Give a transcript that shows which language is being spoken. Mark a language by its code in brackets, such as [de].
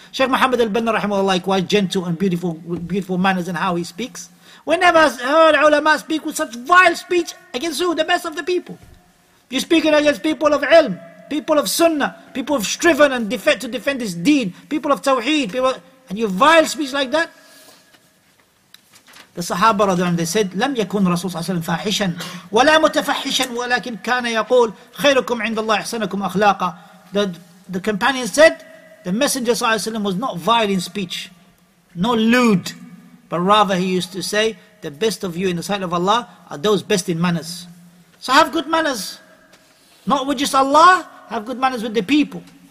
[en] Sheikh Muhammad al-Banna rahimahullah, likewise, gentle and beautiful, beautiful manners, and how he speaks. We never heard ulama speak with such vile speech against who? The best of the people. You're speaking against people of ilm, people of sunnah, people have striven and to defend this deen, people of tawheed, and you vile speech like that? The Sahaba, they said, [ar] لم يكن رسول صلى الله عليه وسلم فاحشا ولا متفحشا ولكن كان يقول خيركم عند الله أحسنكم أخلاقا. [en] The companion said, the Messenger صلى الله عليه وسلم was not vile in speech, not lewd, but rather he used to say, the best of you in the sight of Allah are those best in manners. So have good manners, not with just Allah, have good manners with the people.